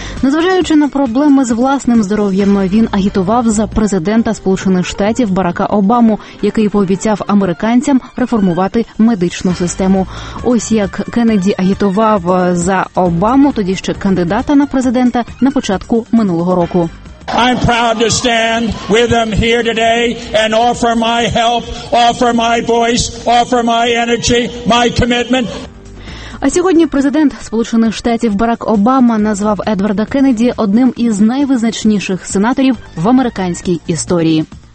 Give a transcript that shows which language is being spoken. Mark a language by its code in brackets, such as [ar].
[uk] Незважаючи на проблеми з власним здоров'ям, він агітував за президента Сполучених Штатів Барака Обаму, який пообіцяв американцям реформувати медичну систему. Ось як Кеннеді агітував за Обаму, тоді ще кандидата на президента, на початку минулого року. [en] I'm proud to stand with them here today and offer my help, offer my voice, offer my energy, my commitment. [uk] А сьогодні президент Сполучених Штатів Барак Обама назвав Едварда Кеннеді одним із найвизначніших сенаторів в американській історії.